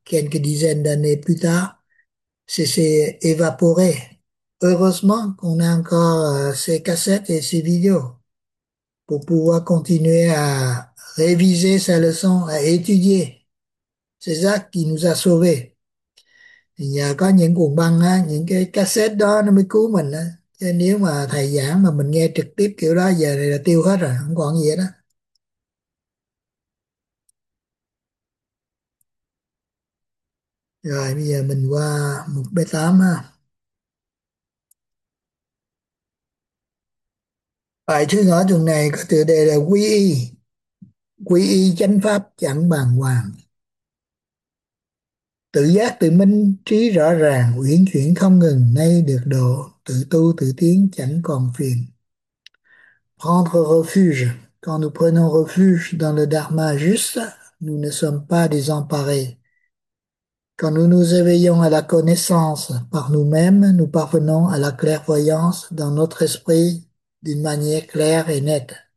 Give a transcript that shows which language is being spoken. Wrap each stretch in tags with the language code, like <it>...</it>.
<fr>Quelques dizaines d'années plus tard, c'est évaporé. Heureusement qu'on a encore ces cassettes et ces vidéos pour pouvoir continuer à réviser sa leçon, à étudier. C'est ça qui nous a sauvés. Il y a quand même</fr> <vi>những cuộn băng, hein, những cái cassettes đó nó mới cứu mình. Hein. Chứ nếu mà thầy giảng mà mình nghe trực tiếp kiểu đó, giờ này là tiêu hết rồi, không còn gì hết đó. Rồi bây giờ mình qua một B8 ha. Bài thứ ngõ tuần này có tựa đề là quy y chánh pháp chẳng bàng hoàng, tự giác tự minh trí rõ ràng, uyển chuyển không ngừng, nay được độ, tự tu tự tiến chẳng còn phiền.</vi> <fr>Prendre refuge, quand nous prenons refuge dans le dharma juste, nous ne sommes pas désemparés. Quand nous nous éveillons à la connaissance par nous-mêmes, nous parvenons à la clairvoyance dans notre esprit d'une manière claire et nette.</fr>